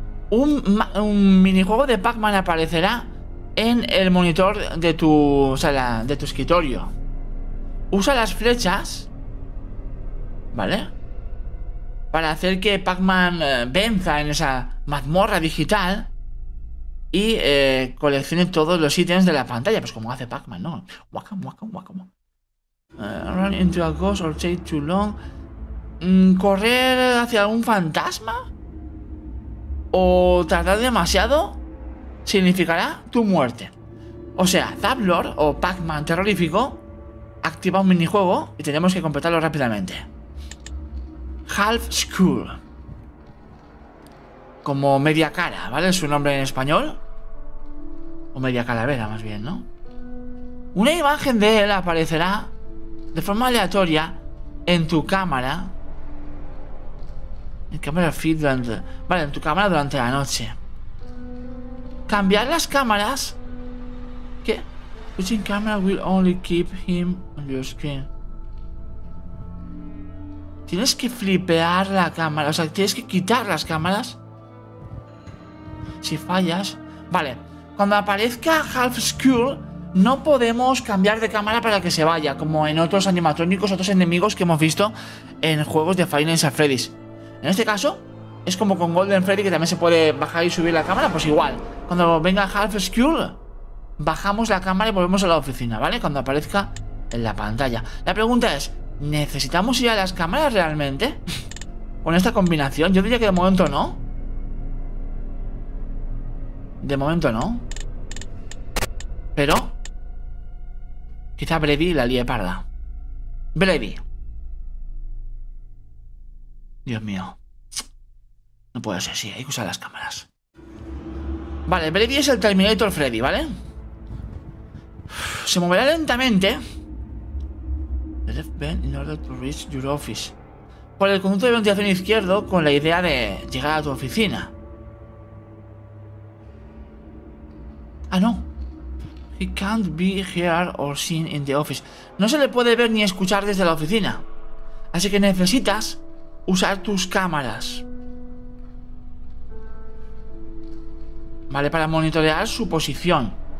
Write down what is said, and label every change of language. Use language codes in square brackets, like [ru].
[es] Un minijuego de Pac-Man aparecerá en el monitor de tu, o sea, de tu escritorio. Usa las flechas, ¿vale? Para hacer que Pac-Man venza en esa mazmorra digital y coleccione todos los ítems de la pantalla, pues como hace Pac-Man, ¿no? Guacam, guacam, guacam. [en] Run into a ghost or take too long. [es] Correr hacia algún fantasma o tardar demasiado significará tu muerte. O sea, Zablor o Pac-Man terrorífico activa un minijuego y tenemos que completarlo rápidamente. Half Skull, como media cara, ¿vale? Es su nombre en español. O media calavera, más bien, ¿no? Una imagen de él aparecerá de forma aleatoria en tu cámara. En cámara feed durante... vale, en tu cámara durante la noche. Cambiar las cámaras. ¿Qué? [en] Switching camera will only keep him on your screen. [es] Tienes que flipear la cámara. O sea, tienes que quitar las cámaras. Si fallas. Vale. Cuando aparezca Half Skull, no podemos cambiar de cámara para que se vaya, como en otros animatrónicos, otros enemigos que hemos visto en juegos de Final Fantasy. En este caso, Es como con Golden Freddy, que también se puede bajar y subir la cámara. Pues igual, cuando venga Half Skull, bajamos la cámara y volvemos a la oficina, ¿vale? Cuando aparezca en la pantalla. La pregunta es, ¿necesitamos ir a las cámaras realmente? ¿Con esta combinación? Yo diría que de momento no. De momento no. Pero quizá Brady la lie parda. Brady. Dios mío. No puede ser, sí, hay que usar las cámaras. Vale, Brady es el Terminator Freddy, ¿vale? Se moverá lentamente. [en] Left bend in order to reach your office. [es] Por el conducto de ventilación izquierdo con la idea de llegar a tu oficina. Ah, no. [en] He can't be heard or seen in the office. [es] No se le puede ver ni escuchar desde la oficina. Así que necesitas usar tus cámaras. Vale, para monitorear su posición.